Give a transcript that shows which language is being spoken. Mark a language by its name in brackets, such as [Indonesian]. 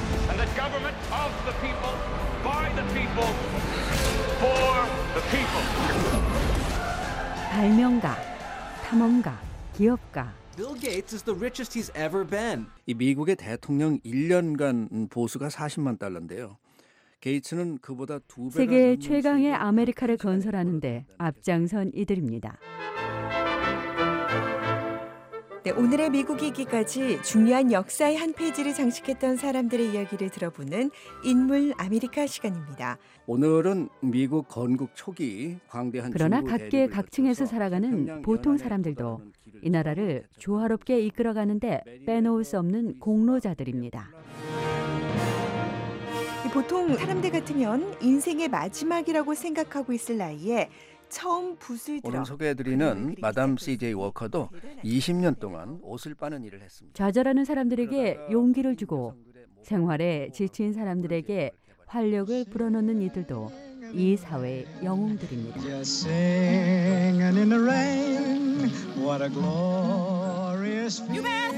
[English] and the government of the people, by the people, for the people. [Korean] 발명가, 탐험가, 기업가, [English] Bill Gates is the richest he's ever been. [Korean] 이 미국의 대통령 1년간 보수가 40만 달러인데요. 게이츠는 그보다 두 배가 세계 최강의 아메리카를 건설하는데 앞장선 이들입니다. 네, 오늘의 미국 이야기까지 중요한 역사의 한 페이지를 장식했던 사람들의 이야기를 들어보는 인물 아메리카 시간입니다. 오늘은 미국 건국 초기 광대한 그러나 각계 각층에서 살아가는 보통 사람들도 이 나라를 조화롭게 이끌어가는데 빼놓을 수 없는 공로자들입니다. 보통 사람들 같으면 인생의 마지막이라고 생각하고 있을 나이에 처음 붓을 들어 오늘 소개해드리는 마담 CJ 워커도 20년 동안 옷을 빠는 일을 했습니다. 좌절하는 사람들에게 용기를 주고 생활에 지친 사람들에게 활력을 불어넣는 이들도 이 사회의 영웅들입니다. [English] Singing in the rain, what a glorious feeling.